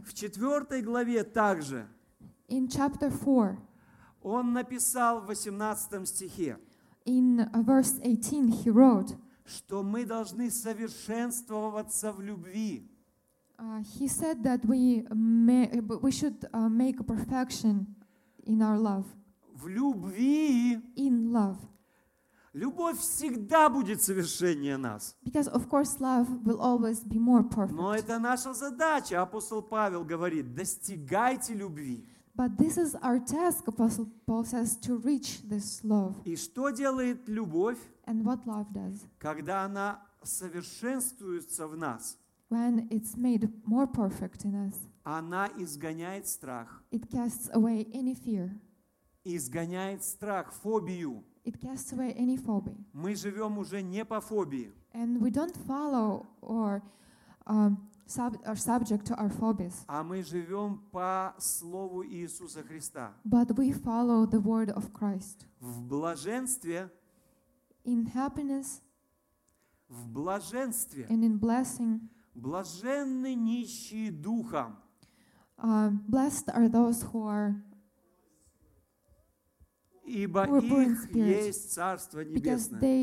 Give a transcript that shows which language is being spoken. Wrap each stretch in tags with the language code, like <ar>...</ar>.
<ru>В четвертой главе также.</ru> <en>In chapter 4.</en> <ru>Он написал в 18 стихе.</ru> <en>In verse 18, he wrote.</en> <ru>Что мы должны совершенствоваться в любви.</ru> <en>He said that we should make a perfection in our love.</en> <ru>В любви.</ru> <en>In love.</en> <ru>Любовь всегда будет совершеннее нас.</ru> <en>Because of course love will always be more perfect.</en> <ru>Но это наша задача. Апостол Павел говорит: достигайте любви.</ru> <en>But this is our task, Apostle Paul says, to reach this love.</en> <ru>И что делает любовь?</ru> <en>And what love does?</en> <ru>Когда она совершенствуется в нас.</ru> <en>When it's made more perfect in us.</en> <ru>Она изгоняет страх.</ru> <en>It casts away any fear.</en> <ru>Изгоняет страх, фобию.</ru> <en>It casts away any phobia.</en> <ru>Мы живем уже не по фобии.</ru> <en>And we don't follow or subject to our phobias.</en> <ru>А мы живем по слову Иисуса Христа.</ru> <en>But we follow the word of Christ.</en> <ru>В блаженстве.</ru> <en>In happiness.</en> <ru>В блаженстве.</ru> <en>And in blessing.</en> <ru>Блаженны нищие духом.</ru> <en>Blessed are those who are.</en> <ru>Ибо их есть Царство Небесное.</ru>